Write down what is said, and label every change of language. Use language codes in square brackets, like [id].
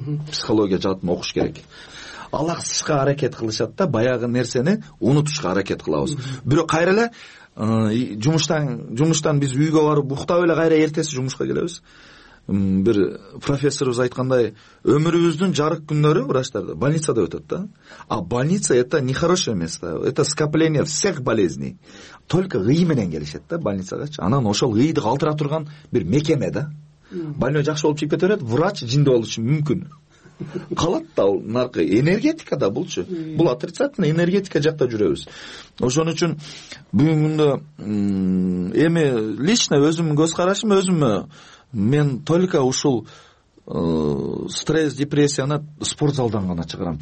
[ky] Психология жаатын окуш керек. Алаксышка аракет кылышат да, баягы нерсени унутушка аракет кылабыз. Бирок кайра эле жумуштан биз үйгө барып уктап эле кайра эртеси жумушка келебиз. Бир профессорубуз айткандай, өмүрүбүздүн жарык күндөрү врачтарда больницада өтөт да. [ru] А больница это нехорошее место, это скопление всех болезней. [ky] Только ыйы менен келишет да больницагачы. Анан ошол ыйды калтыра турган бир мекеме да. Больной жакшы болуп чыгып кете берет, врач жинде болушу мүмкүн. Калат да ал наркы энергетика да булчу. Бул отрицательно энергетика жакта жүрөбүз. Ошон үчүн бүгүнкү күндө эми лично өзүмдүн көз карашым өзүмө мен только ушул стресс депрессияны спортзалдан гана чыгарам.